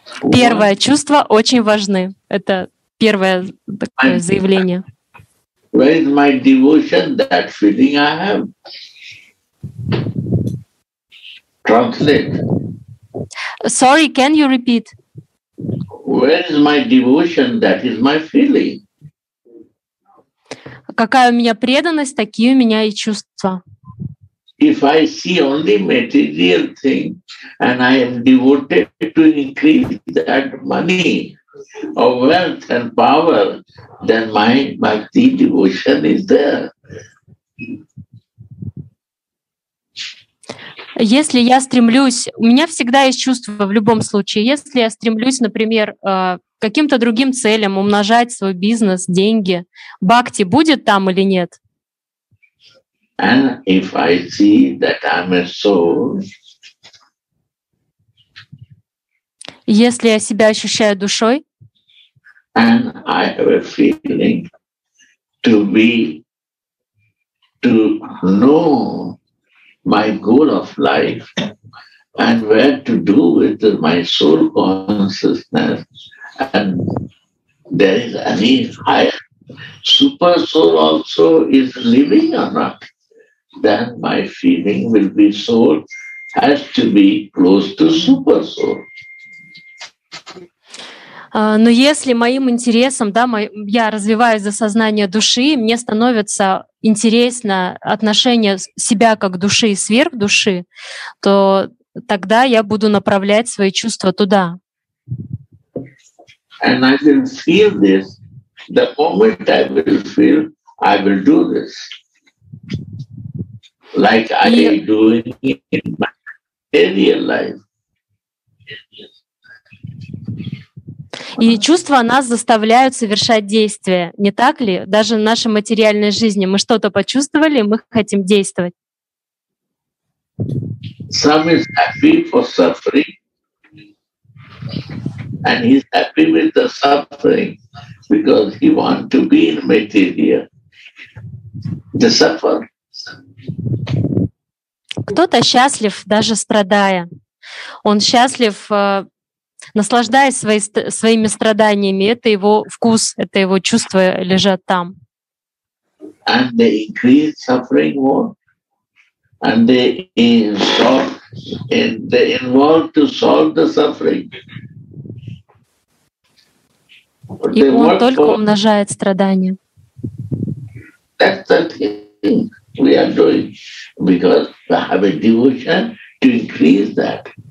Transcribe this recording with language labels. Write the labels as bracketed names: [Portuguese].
[Russian] Первое, чувства очень важны. Это первое такое заявление. [English] Where is my devotion, that feeling I have? Translate. Sorry, can you repeat? Where is my devotion, that is my feeling? [Russian] Какая у меня преданность, такие у меня и чувства. [English] If I see only material thing and I am devoted to increase that money or wealth and power, then my bhakti devotion is there. [Russian] Если я стремлюсь, у меня всегда есть чувство в любом случае, если я стремлюсь, например, к каким-то другим целям, умножать свой бизнес, деньги, бхакти будет там или нет? [English] And if I see that I'm a soul, [Russian] если я себя ощущаю душой, [English] and I have a feeling to be, to know my goal of life and where to do with my soul consciousness, and there is any higher super soul also is living or not, then my feeling will be soul has to be close to super soul. [Russian] Но если моим интересом, да, я развиваюсь за сознание души, мне становится интересно отношение себя как души и сверх души, то тогда я буду направлять свои чувства туда. [English] And I will feel this. The moment I will feel, I will do this. Like I am doing in my real life. [Russian] И чувства нас заставляют совершать действия, не так ли? Даже в нашей материальной жизни мы что-то почувствовали, мы хотим действовать. [English] Some is happy for suffering, and he's happy with the suffering because he wants to be in material, the suffer. [Russian] Кто-то счастлив, даже страдая. Он счастлив, наслаждаясь своими страданиями, это его вкус, это его чувства лежат там. [English] And they increase suffering more, and they involve to solve the suffering. [Russian] И он только умножает страдания. [English] That's the thing we are doing, because we have a devotion to increase that.